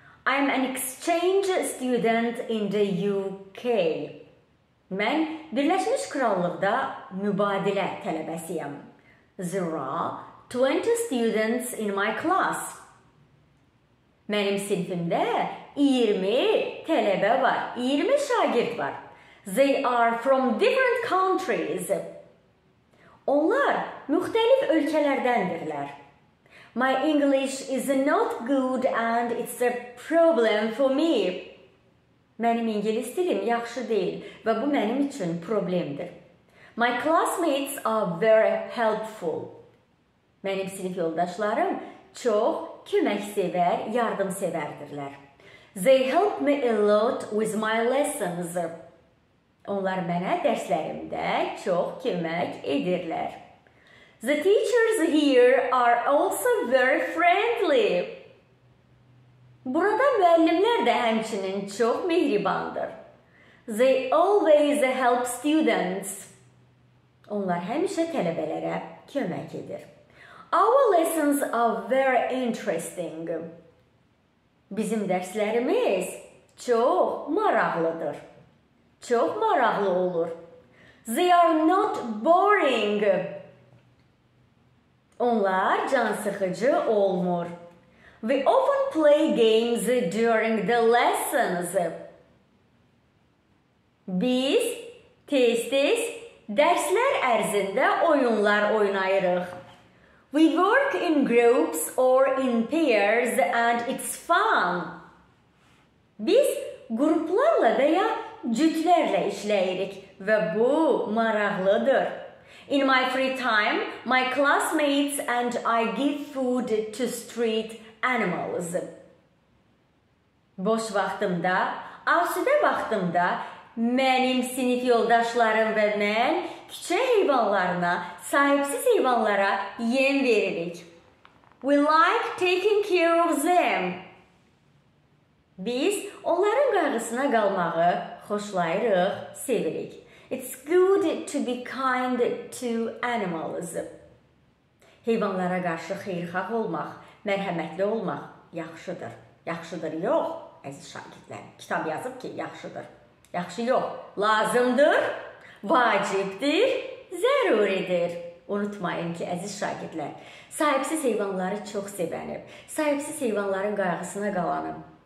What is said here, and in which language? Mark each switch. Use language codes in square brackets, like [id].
[en] I am an exchange student in the UK. [az] Mən Birləşmiş Krallıqda mübadilə tələbəsiyəm. [en] There are 20 students in my class. [az] Mənim sinifimdə 20 tələbə var. 20 şagird var. [en] They are from different countries. [az] Onlar müxtəlif ölkələrdəndirlər. [en] My English is not good and it's a problem for me. [az] Mənim ingilis dilim yaxşı deyil və bu mənim üçün problemdir. [en] My classmates are very helpful. [az] Mənim sinif yoldaşlarım çox köməksevər, yardımsevərdirlər. [en] They help me a lot with my lessons. [az] Onlar mənə dərslərimdə çox kömək edirlər. [en] The teachers here are also very friendly. [az] Burada müəllimlər də həmçinin çox mehribandır. [en] They always help students. [az] Onlar həmişə tələbələrə kömək edir. [en] Our lessons are very interesting. [az] Bizim dərslərimiz çox maraqlıdır. Çox maraqlı olur. [en] They are not boring. [az] Onlar can sıxıcı olmur. [en] We often play games during the lessons. [az] Biz tez-tez dərslər ərzində oyunlar oynayırıq. [en] We work in groups or in pairs and it's fun. [az] Biz qruplarla və ya cütlərlə işləyirik və bu maraqlıdır. [en] In my free time, my classmates and I give food to street animals. [az] Boş vaxtımda, asudə vaxtımda mənim sinif yoldaşlarım və mən küçə heyvanlarına, sahibsiz heyvanlara yem veririk. [en] We like taking care of them. [az] Biz onların qayğısına qalmağı xoşlayırıq, sevirik. [en] It's good to be kind to animals. [az] Heyvanlara qarşı xeyirxah olmaq, mərhəmətli olmaq yaxşıdır. Yaxşıdır yox, əziz şagirdlər. Kitab yazıb ki, yaxşıdır. Yaxşı yox, lazımdır, vacibdir, zəruridir. Unutmayın ki, əziz şagirdlər, sahibsiz heyvanları çox sevənim, sahibsiz heyvanların qayğısına qalanım.